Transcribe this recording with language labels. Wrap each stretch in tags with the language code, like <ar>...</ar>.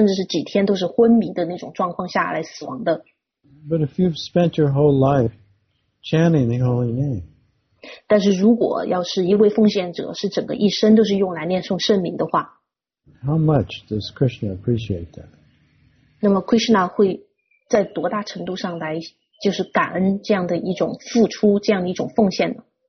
<zh>我曾经很多次提到过，就是很多人在因为比如说疾病或者是意外死亡的时候，他就完全处于无知觉的状态，可能是几个小时甚至是几天都是昏迷的那种状况下来死亡的。</zh> <en>But if you've spent your whole life chanting the holy name,</en> <zh>但是如果要是一位奉献者是整个一生都是用来念诵圣名的话，</zh> <en>How much does Krishna appreciate that?</en> <zh>那么Krishna会在多大程度上来就是感恩这样的一种付出，这样的一种奉献呢？</zh>